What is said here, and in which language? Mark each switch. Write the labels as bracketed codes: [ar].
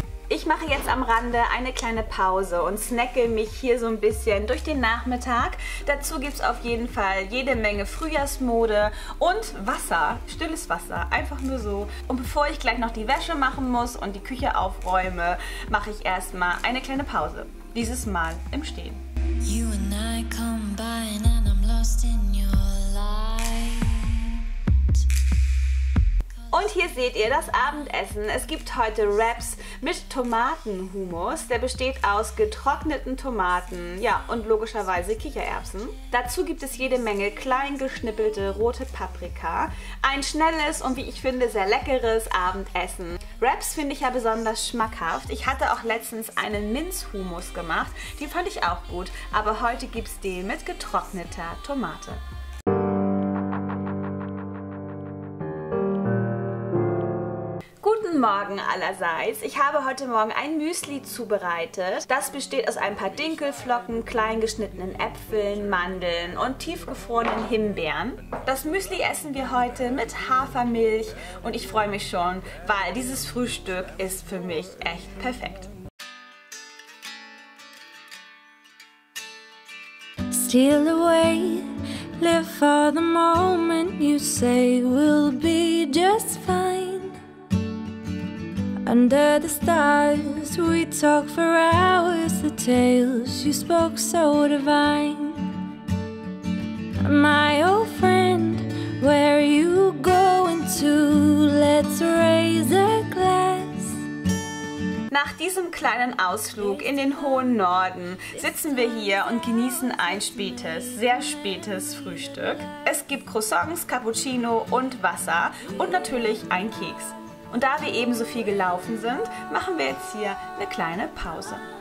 [de] Ich mache jetzt am Rande eine kleine Pause und snacke mich hier so ein bisschen durch den Nachmittag. Dazu gibt es auf jeden Fall jede Menge Frühjahrsmode und Wasser, stilles Wasser, einfach nur so. Und bevor ich gleich noch die Wäsche machen muss und die Küche aufräume, mache ich erstmal eine kleine Pause. Dieses Mal im Stehen. [en] You and I combine and I'm lost in your light. [de] Und hier seht ihr das Abendessen. Es gibt heute Wraps mit Tomatenhummus, der besteht aus getrockneten Tomaten, ja, und logischerweise Kichererbsen. Dazu gibt es jede Menge klein geschnippelte rote Paprika. Ein schnelles und wie ich finde sehr leckeres Abendessen. Wraps finde ich ja besonders schmackhaft. Ich hatte auch letztens einen Minzhummus gemacht, den fand ich auch gut, aber heute gibt es den mit getrockneter Tomate. Guten Morgen allerseits. Ich habe heute Morgen ein Müsli zubereitet. Das besteht aus ein paar Dinkelflocken, klein geschnittenen Äpfeln, Mandeln und tiefgefrorenen Himbeeren. Das Müsli essen wir heute mit Hafermilch und ich freue mich schon, weil dieses Frühstück ist für mich echt perfekt. [en] Steal away, live for the moment you say we'll be just fine. Under the stars, we talk for hours, the tales you spoke so divine. My old friend, where are you going to? Let's raise a glass. [de] Nach diesem kleinen Ausflug in den hohen Norden sitzen wir hier und genießen ein spätes, sehr spätes Frühstück. Es gibt Croissants, Cappuccino und Wasser und natürlich ein Keks. Und da wir eben so viel gelaufen sind, machen wir jetzt hier eine kleine Pause.